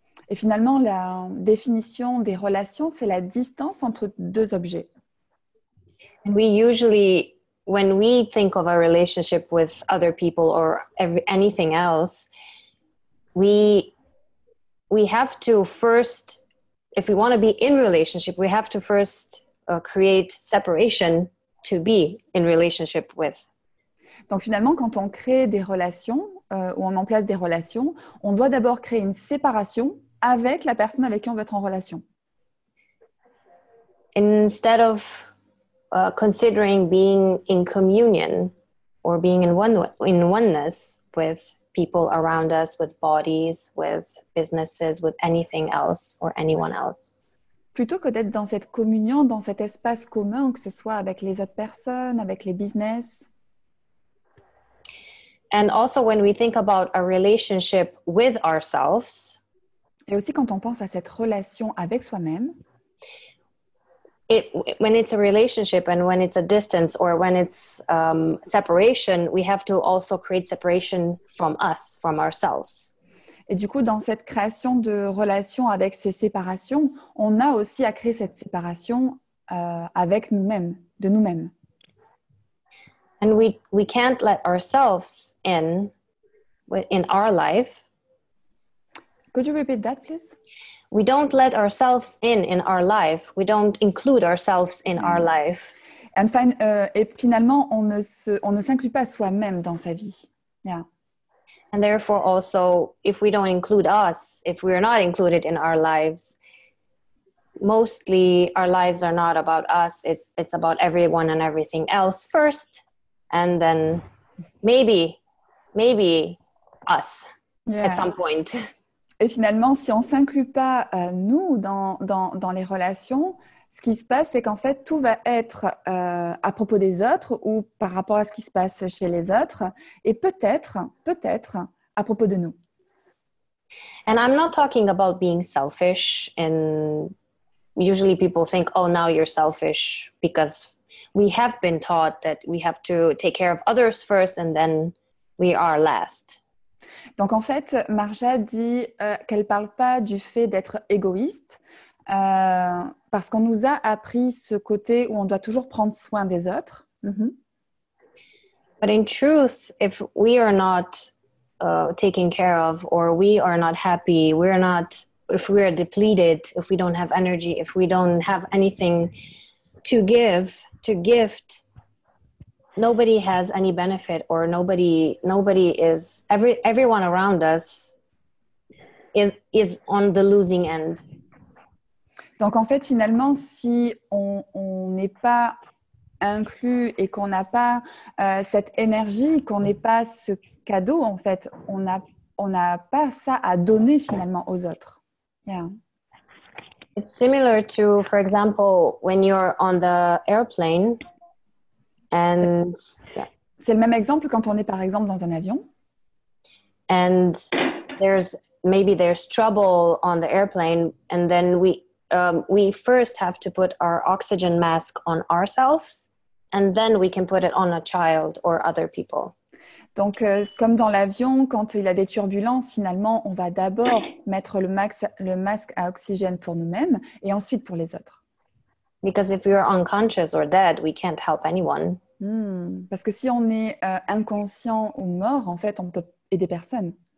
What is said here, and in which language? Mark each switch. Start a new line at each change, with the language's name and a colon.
French: Et finalement, la définition des relations, c'est la distance entre deux objets.
English: We usually, when we think of our relationship with other people or anything else, we have to first, if we want to be in relationship, we have to first create separation to be in relationship with.
French: Donc finalement, quand on crée des relations, où on met en place des relations, on doit d'abord créer une séparation avec la personne avec qui on veut être en relation.
English: Instead of considering being in communion or being in oneness with people around us, with bodies, with businesses, with anything else or anyone else.
French: Plutôt que d'être dans cette communion, dans cet espace commun, que ce soit avec les autres personnes, avec les business.
English: And also when we think about a relationship with ourselves.
French: Et aussi quand on pense à cette relation avec soi-même.
English: It, when it's a relationship and when it's a distance or when it's separation, we have to also create separation from us, from ourselves.
French: Et du coup, dans cette création de relations avec ces séparations, on a aussi à créer cette séparation avec nous-mêmes, de nous-mêmes.
English: And we can't let ourselves in our life. Could you repeat that, please? We don't let ourselves in our life. We don't include ourselves in our life.
French: And et finalement, on ne s'inclut pas soi-même dans sa vie. Yeah.
English: And therefore also, if we don't include us, if we are not included in our lives, mostly our lives are not about us. It's about everyone and everything else first. And then maybe us at some point.
French: Et finalement, si on ne s'inclut pas, nous, dans les relations, ce qui se passe, c'est qu'en fait, tout va être à propos des autres ou par rapport à ce qui se passe chez les autres et peut-être, à propos de nous.
English: And I'm not talking about being selfish. And usually people think, oh, now you're selfish because we have been taught that we have to take care of others first and then we are last.
French: Donc en fait, Marja dit qu'elle ne parle pas du fait d'être égoïste parce qu'on nous a appris ce côté où on doit toujours prendre soin des autres. Mm-hmm.
English: But in truth, if we are not taken care of or we are not happy, we're not, if we are depleted, if we don't have energy, if we don't have anything to give, to gift, nobody has any benefit or nobody is, everyone around us is on the losing end.
French: Donc en fait finalement si on n'est pas inclus et qu'on n'a pas cette énergie, qu'on n'est pas ce cadeau en fait, on n'a pas ça à donner finalement aux autres.
English: Yeah. It's similar to, for example, when you're on the airplane. And
French: c'est le même exemple quand on est par exemple dans un avion.
English: And there's trouble on the airplane, and then we first have to put our oxygen mask on ourselves, and then we can put it on a child or other people.
French: Donc comme dans l'avion, quand il y a des turbulences, finalement, on va d'abord mettre le masque à oxygène pour nous-mêmes et ensuite pour les autres.
English: Because if we are unconscious or dead, we can't help anyone.
French: Parce que si on est inconscient ou mort, en fait, on peut aider personne.